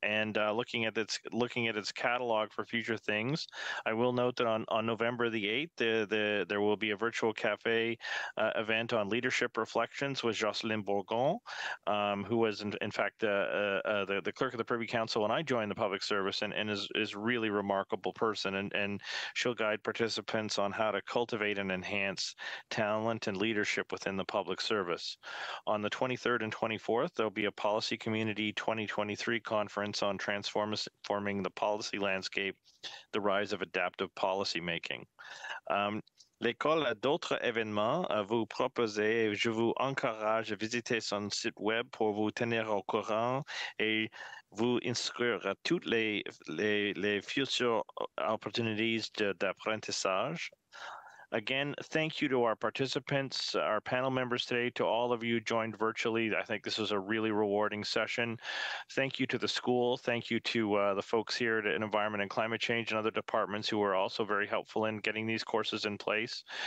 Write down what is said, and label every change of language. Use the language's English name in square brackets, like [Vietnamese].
[English] And looking at its catalog for future things, I will note that on November the 8th, there will be a virtual cafe event on leadership reflections with Jocelyn Bourgon, who was in fact the clerk of the Privy Council when I joined the public service, and is really remarkable person, and she'll guide participants on how to cultivate and enhance talent and leadership within the public service. On the 23rd and 24th, there'll be a Policy Community 2023 conference on transforming the policy landscape, the rise of adaptive policymaking. [French] L'école a d'autres événements à vous proposer et je vous encourage à visiter son site web pour vous tenir au courant et vous inscrire à toutes les [English] future opportunities [French] d'apprentissage. [English] Again, thank you to our participants, our panel members today, to all of you joined virtually. I think this was a really rewarding session. Thank you to the school. Thank you to the folks here at Environment and Climate Change and other departments who were also very helpful in getting these courses in place.